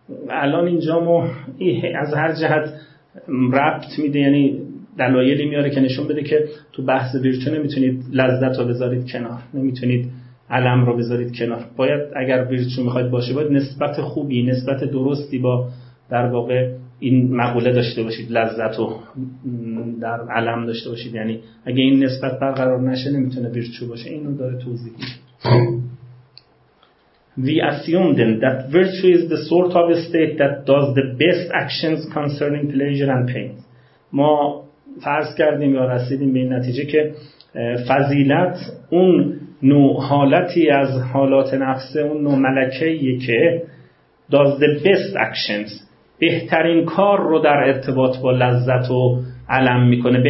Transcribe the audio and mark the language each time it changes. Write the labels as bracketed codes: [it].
[fa] الان اینجا مو از هر جهت ربط میده، یعنی دلایلی میاره که نشون بده که تو بحث ویرچو نمیتونید لذت رو بذارید کنار، نمیتونید علم رو بذارید کنار. باید اگر ویرچو میخواید باشه باید نسبت خوبی، نسبت درستی با در واقع این مقوله داشته باشید، لذت رو در علم داشته باشید، یعنی اگه این نسبت برقرار نشه نمیتونه ویرچو باشه. اینو داره توضیح میده. [en] We assumed that virtue is the sort of state that does the best actions concerning pleasure and pain. [fa] ما فرض کردیم یا رسیدیم به این نتیجه که فضیلت اون نوع حالتی از حالات نفسه، اون نوع ملکه‌ایه که [en] does the best actions، [fa] بهترین کار رو در ارتباط با لذت و الم میکنه.